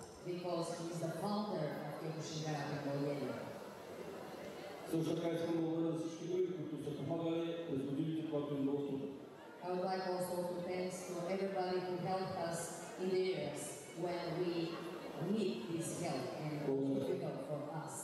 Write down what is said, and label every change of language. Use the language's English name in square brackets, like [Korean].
[English] Because he is the founder of Kyokushin Karate Bulgaria. [Bulgarian] Също така искам да благодаря всички други, които са помагали през годините, когато е много трудно. [English] I would like also to thank everybody who helped us in the years when we need this help and difficult for us.